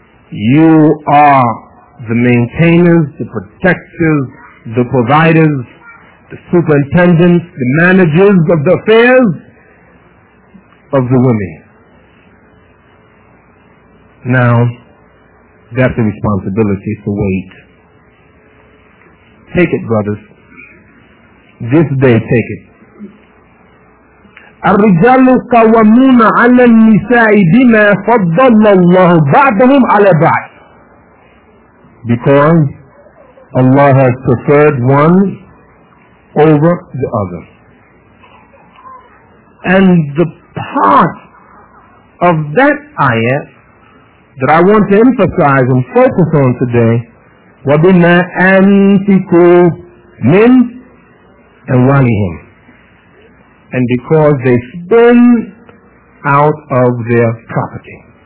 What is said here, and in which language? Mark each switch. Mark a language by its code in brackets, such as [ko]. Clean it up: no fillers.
[en] You are the maintainers, the protectors, the providers, the superintendents, the managers of the affairs of the women. Now, that's a responsibility, so wait. Take it, brothers. This day, take it. [ar] الرجال قوامون على النساء بما فضل الله بعضهم على بعض. [en] Because Allah has preferred one over the other. And the part of that ayah that I want to emphasize and focus on today, [ar] وَبِمَا أَنْفِكُوا مِنْ أَوَالِهِمْ, [en] and because they spend out of their property.